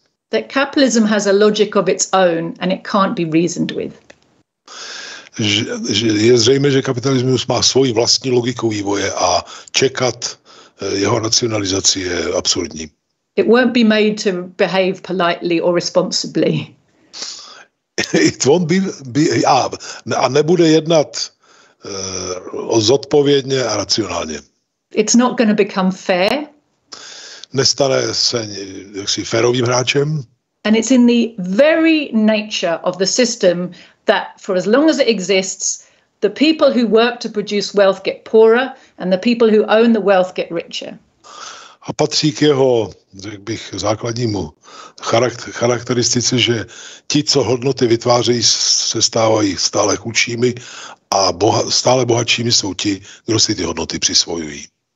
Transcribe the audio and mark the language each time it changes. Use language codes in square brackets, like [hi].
[en] that capitalism has a logic of its own and it can't be reasoned with. [cs] Že je zřejmé, že kapitalismus má svoji vlastní logiku vývoje a čekat jeho racionalizace je absurdní. [en] It won't be made to behave politely or responsibly. It won't [cs] a nebude jednat zodpovědně a racionálně. [en] It's not going to become fair. [cs] Nestane se jaksi férovým hráčem. [en] And it's in the very nature of the system that for as long as it exists, The people who work to produce wealth get poorer and the people who own the wealth get richer. [cs] A patří k jeho, řekl bych, základnímu charakteristice, že ti, co hodnoty vytvářejí, se stávají stále chudšími a stále bohatšími jsou ti, kdo si ty hodnoty přisvojují.